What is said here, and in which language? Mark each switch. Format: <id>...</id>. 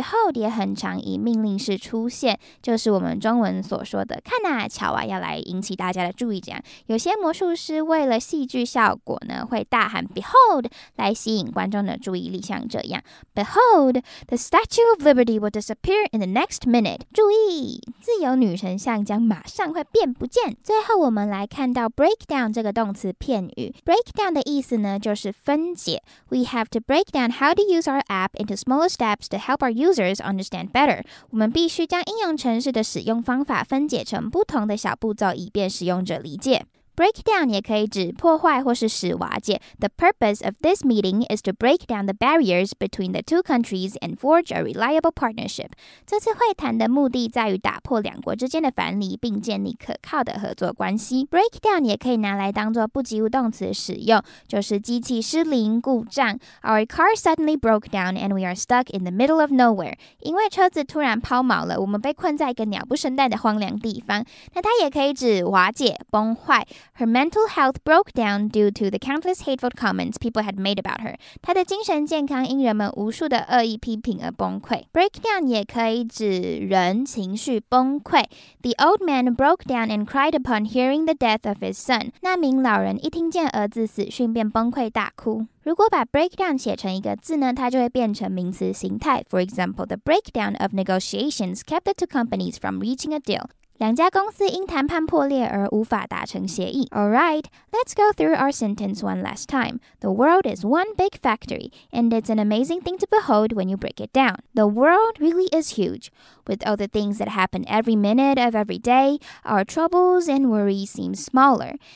<zh>湿地的夕阳美景令人叹为观止。Behold也很常以命令式出现, 就是我们中文所说的看啊瞧啊要来引起大家的注意这样。有些魔术师为了戏剧效果呢, 会大喊 behold 来吸引观众的注意力像这样。</zh> <en>Behold, the Statue of Liberty will disappear in the next minute.</en> <zh>注意, 自由女神像将马上会变不见。最后我们来看到breakdown这个动词片语。 Breakdown的意思呢, 就是分解。</zh> <en>We have to break down how to use our app into smaller steps to help our users understand better.</en> <zh>我们必须将应用程式的使用方法分解成不同的小步骤以便使用者理解。 Break down 也可以指破坏或是使瓦解。</zh> <en>The purpose of this meeting is to break down the barriers between the two countries and forge a reliable partnership.</en> <zh>这次会谈的目的在于打破两国之间的藩篱，并建立可靠的合作关系。 Break down 也可以拿来当作不及物动词使用，就是机器失灵、故障。</zh> <en>Our car suddenly broke down and we are stuck in the middle of nowhere.</en> <zh>因为车子突然抛锚了，我们被困在一个鸟不生蛋的荒凉地方。那它也可以指瓦解、崩坏。</zh> <en>Her mental health broke down due to the countless hateful comments people had made about her.</en> <zh>她的精神健康因人们无数的恶意批评而崩溃。 Break down 也可以指人情绪崩溃。</zh> <en>The old man broke down and cried upon hearing the death of his son.</en> <zh>那名老人一听见儿子死讯便崩溃大哭。如果把 breakdown 写成一个字呢，它就会变成名词形态。</zh> <en>For example, the breakdown of negotiations kept the two companies from reaching a deal.</en> <zh>两家公司因谈判破裂而无法达成协议。</zh> <en>Alright, let's go through our sentence one last time. The world is one big factory, and it's an amazing thing to behold when you break it down. The world really is huge. With all the things that happen every minute of every day, our troubles and worries seem smaller.</en>